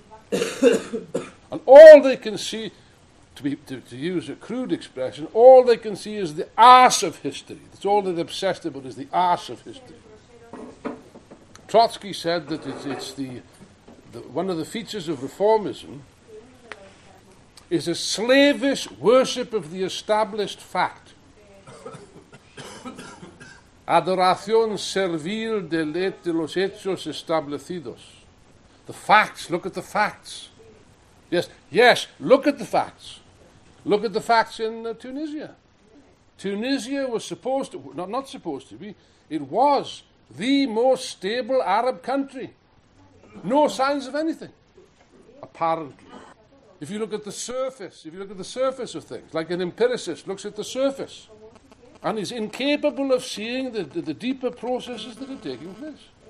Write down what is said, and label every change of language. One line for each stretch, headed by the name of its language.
English: And all they can see, to use a crude expression, all they can see is the arse of history. That's all they're obsessed about, is the arse of history. Trotsky said that it's one of the features of reformism is a slavish worship of the established fact.
Spanish: Adoración servil de los hechos establecidos.
English: The facts, look at the facts. Yes, look at the facts. Look at the facts in Tunisia. Tunisia was supposed to, not supposed to be, it was the most stable Arab country. No signs of anything, apparently. If you look at the surface, if you look at the surface of things, like an empiricist looks at the surface and is incapable of seeing the deeper processes that are taking place.